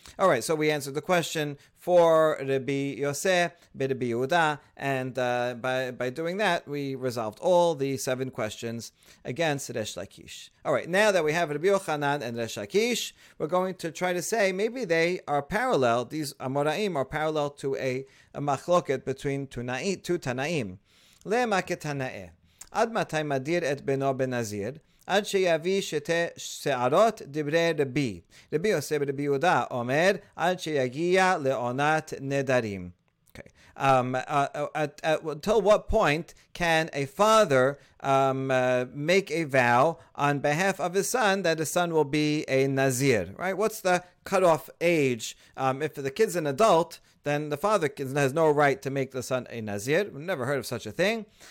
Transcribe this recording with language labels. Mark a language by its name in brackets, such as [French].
[English] All right, so we answered the question for Rabbi Yosef, Rabbi Yehuda, and by doing that, we resolved all the seven questions against Resh Lakish. All right, now that we have Rabbi Yochanan and Resh Lakish, we're going to try to say maybe they are parallel, these Amoraim are parallel to a machloket between two Tanaim. [Hebrew] Le maketanae, ad matai madir et beno benazir, עד שיביא שתי שערות דברי רבי. רבי יוסף ורבי יהודה אומר, עד שיגיע לעונת נדרים. [English] Okay. Until what point can a father make a vow on behalf of his son that his son will be a nazir? Right? What's the cutoff age? If the kid's an adult, then the father has no right to make the son a Nazir. We've never heard of such a thing.